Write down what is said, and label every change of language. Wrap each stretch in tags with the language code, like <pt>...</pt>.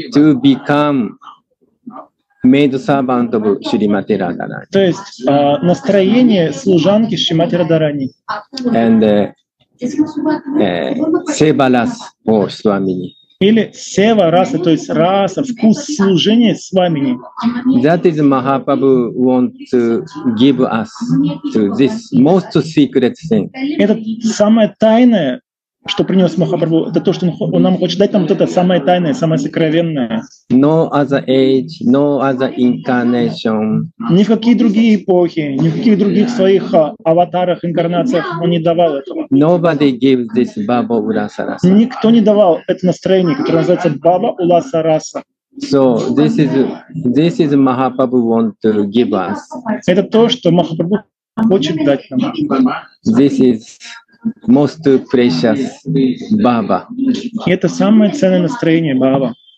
<en>To become maid servant of Shrimati Radharani.</en> <ru>То есть настроение служанки Шримати Радхарани.</ru> <en>And Севалас о Свамини.</en> <ru>Или сева раса, то есть раса, вкус служения с вами.</ru> <en>That is Mahaprabhu want to give us to this most secret thing.</en> <ru>Это самое тайное, что принес Махапрабху, это то, что он нам хочет дать, там вот это самое тайное, самое сокровенное.</ru> <en>No other age, no other incarnation.</en> <ru>Ни в какие другие эпохи, ни в каких других своих аватарах, инкарнациях он не давал этого.</ru> <en>Nobody gives this Baba Urasa Rasa.</en> <ru>Никто не давал это настроение, которое называется Baba Urasa Rasa.</ru> <en>So this is Mahaprabhu want to give us.</en> <ru>Это то, что Махапрабху хочет дать нам.</ru> <en>This is most precious Baba.</en> <ru>Это самое ценное настроение Баба.</ru>